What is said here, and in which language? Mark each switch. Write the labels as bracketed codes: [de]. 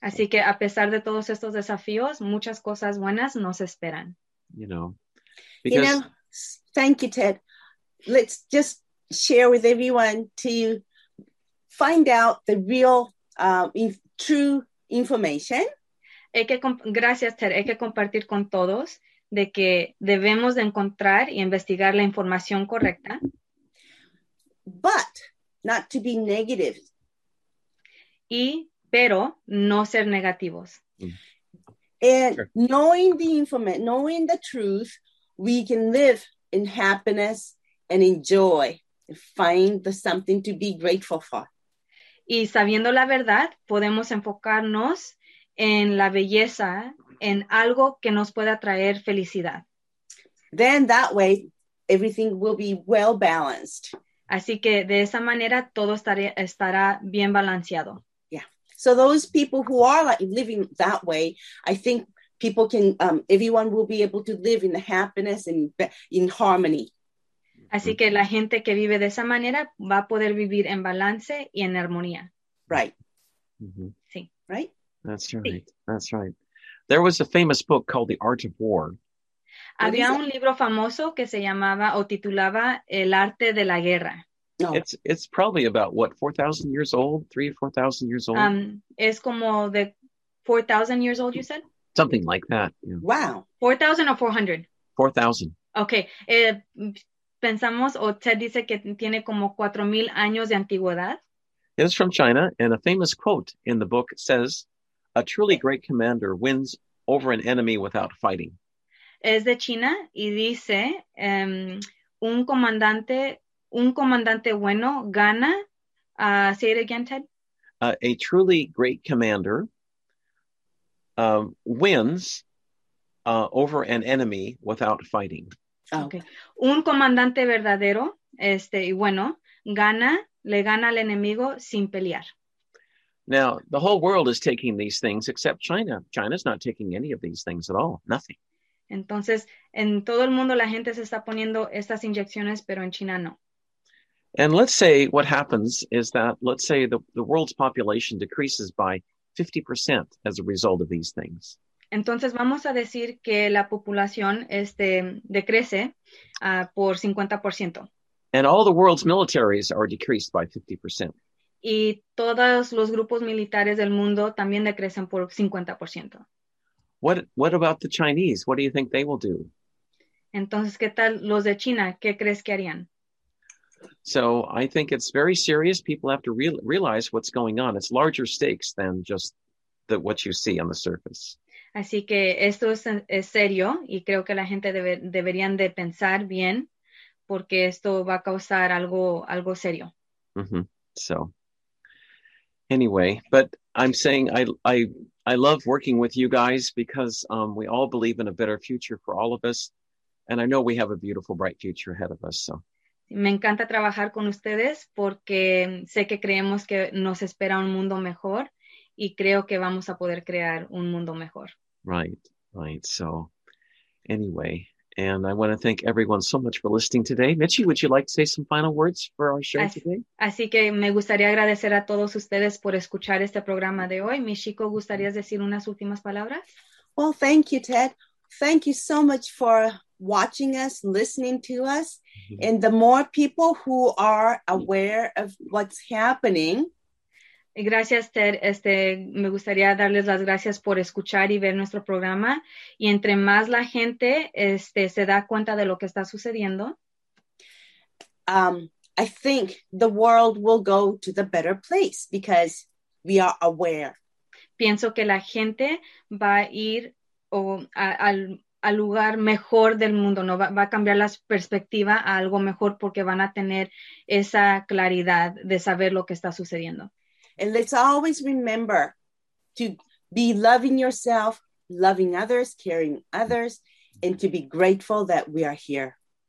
[es] Así que a pesar de todos estos desafíos, muchas cosas buenas nos esperan. [en] You know. You Because know, thank you, Ted. Let's just share with everyone to find out the real, true information. [es] hay que gracias, Ted. Hay que compartir con todos de que debemos de encontrar y investigar la información correcta. [en] But not to be negative. [es] Y, pero, no ser negativos. [en] And knowing the information, knowing the truth, we can live in happiness and enjoy and find the something to be grateful for. [es] Y sabiendo la verdad, podemos enfocarnos en la belleza, en algo que nos pueda traer felicidad. [en] Then that way, everything will be well balanced. [es] Así que de esa manera todo estará bien balanceado. [en] So those people who are like living that way, I think people can, everyone will be able to live in the happiness and in harmony. [es] Así que la gente que vive de esa manera va a poder vivir en balance y en armonía. [en] Right. [es] Sí. [en] Right? That's right. That's right. There was a famous book called The Art of War. [es] Había un libro famoso que se llamaba o titulaba El arte de la guerra. [en] It's probably about what, 4,000 years old, 3,000 or 4,000 years old. [es] Es como de [en] 4,000 years old, you said? Something like that. Yeah. Wow. 4,000 or 400? 4,000. Okay. [es] Pensamos, o Ted dice que tiene como 4,000 años de antigüedad. [en] It's from China, and a famous quote in the book says, "A truly great commander wins over an enemy without fighting." [es] Es de China, y dice, un comandante bueno gana, [en] say it again, Ted. A truly great commander wins over an enemy without fighting. [es] Okay. Un comandante verdadero, y bueno, le gana al enemigo sin pelear. [en] Now, the whole world is taking these things except China. China's not taking any of these things at all. Nothing. [es] Entonces, en todo el mundo la gente se está poniendo estas inyecciones, pero en China no. [en] And let's say what happens is that, let's say the world's population decreases by 50% as a result of these things. [es] Entonces vamos a decir que la población decrece por 50%. [en] And all the world's militaries are decreased by 50%. [es] Y todos los grupos militares del mundo también decrecen por 50%. [en] What about the Chinese? What do you think they will do? [es] Entonces, ¿qué tal los de China? ¿Qué crees que harían? [en] So I think it's very serious. People have to realize what's going on. It's larger stakes than just what you see on the surface. [es] Así que esto es serio, y creo que la gente deberían de pensar bien, porque esto va a causar algo serio. Mm-hmm. [en] So anyway, but I'm saying I love working with you guys because we all believe in a better future for all of us, and I know we have a beautiful, bright future ahead of us. So. [es] Me encanta trabajar con ustedes porque sé que creemos que nos espera un mundo mejor, y creo que vamos a poder crear un mundo mejor. [en] Right. So anyway, and I want to thank everyone so much for listening today. Mitchie, would you like to say some final words for our show today? [es] Así que me gustaría agradecer a todos ustedes por escuchar este programa de hoy. Michiko, ¿gustarías decir unas últimas palabras? [en] Well, thank you, Ted. Thank you so much for watching us, listening to us. And the more people who are aware of what's happening. [es] Gracias, Ted. Me gustaría darles las gracias por escuchar y ver nuestro programa. Y entre más la gente se da cuenta de lo que está sucediendo, [en] I think the world will go to the better place because we are aware. [es] Pienso que la gente va a ir al lugar mejor del mundo, ¿no? Va a cambiar la perspectiva a algo mejor porque van a tener esa claridad de saber lo que está sucediendo. [en] And let's always remember to be loving yourself, loving others, caring others, and to be grateful that we are here.